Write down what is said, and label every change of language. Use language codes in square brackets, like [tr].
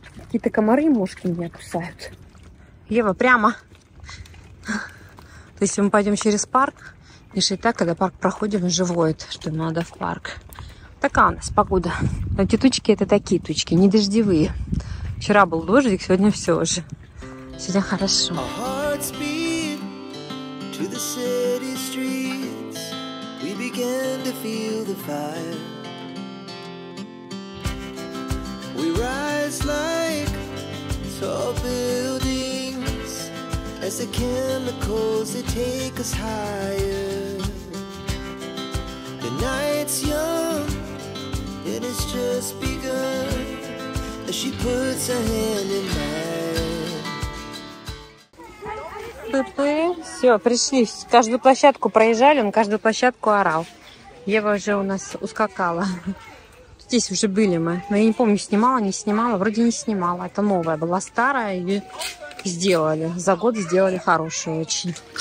[ru] Какие-то комары и мошки меня кусают. Ева, прямо. То есть мы пойдем через парк, и так, когда парк проходим, живоет, что надо в парк. Такая у нас погода. Эти тучки, это такие тучки, не дождевые. Вчера был дождик, сегодня все же. Сюда хорошо. [en] Our hearts beat to the city streets. We began to feel the fire. We rise like tall buildings as the chemicals they take us higher. The night's young and it's just begun as she puts her hand in mine. [ru] Все, пришли. Каждую площадку проезжали, он каждую площадку орал. Ева уже у нас ускакала. Здесь уже были мы. Но я не помню, снимала, не снимала. Вроде не снимала. Это новая была, старая. И сделали. За год сделали хорошую очень.